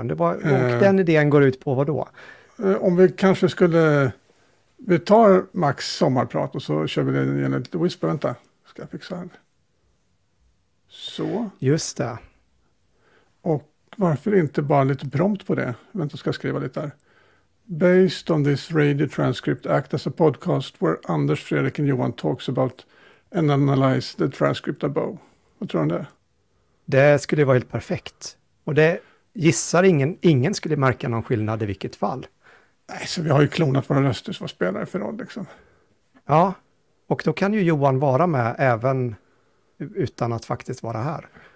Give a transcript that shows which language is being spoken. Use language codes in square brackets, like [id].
[sv] Det var, och den idén går ut på vad då? Om vi kanske skulle... Vi tar Max sommarprat och så kör vi den igen lite whisper. Vänta, ska jag fixa här. Så. Just det. Och varför inte bara lite prompt på det? Vänta, ska jag skriva lite där. [en] Based on this radio transcript act as a podcast where Anders, Fredrik and Johan talks about and analyze the transcript above. [sv] Vad tror du om det? Det skulle vara helt perfekt. Och det gissar ingen skulle märka någon skillnad i vilket fall. Nej, så vi har ju klonat våra röster som spelare för roll liksom. Ja, och då kan ju Johan vara med även utan att faktiskt vara här.